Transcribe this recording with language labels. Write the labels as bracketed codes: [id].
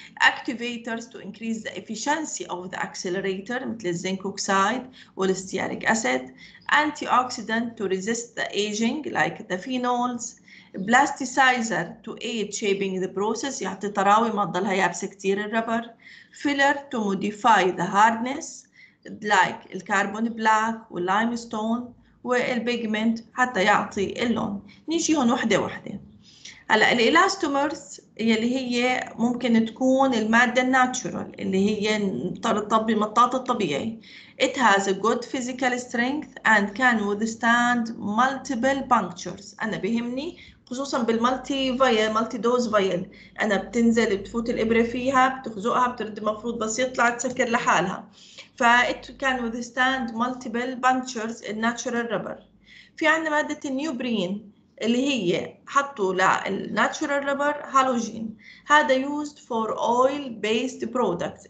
[en] Activators to increase the efficiency of the accelerator [ar] مثل الزنك أوكسيد والستياريك أسيد. [en] Antioxidant to resist the aging like the phenols. Plasticizer to aid shaping the process، [ar] يعطي طراوي ما تضلها يابسه كثير الربر. [en] Filler to modify the hardness like [ar] الكربون بلاك واللايمستون والبيجمنت حتى يعطي اللون. نيجي هون وحده وحده. هلا الالاستومرز يلي هي ممكن تكون الماده الناتشورال اللي هي المطاط الطبيعي. [en] It has a good physical strength and can withstand multiple punctures. [ar] انا بهمني خصوصا بالمالتي فايل، مالتي دوز فايل، انا بتنزل بتفوت الابره فيها بتخزقها بترد، المفروض بس يطلع تسكر لحالها. [en] ف it can withstand multiple punctures in natural rubber. [ar] في عندنا ماده النيوبرين اللي هي حطوا للناتشورال ربر هالوجين، هذا [en] Used for oil based product.